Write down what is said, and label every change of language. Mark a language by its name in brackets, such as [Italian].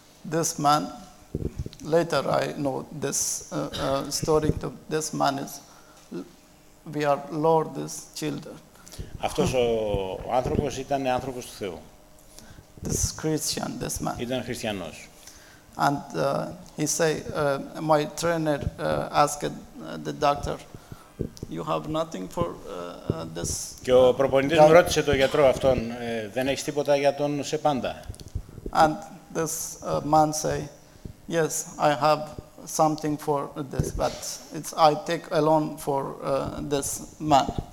[English] This man, later I know this story of this man is we are Lord's children. [Greek] Αυτός ο άνθρωπος ήταν άνθρωπος του Θεού. [English] This Christian, this man. [Greek] Ήταν χριστιανός. [English] And he say, my trainer asked the doctor, you have nothing for this. [Greek] Και ο προπονητής μου ρώτησε τον γιατρό αυτόν, δεν έχεις τίποτα για τον σε πάντα. [English] And this man say, yes, I have something for this, but it's I take alone for this man.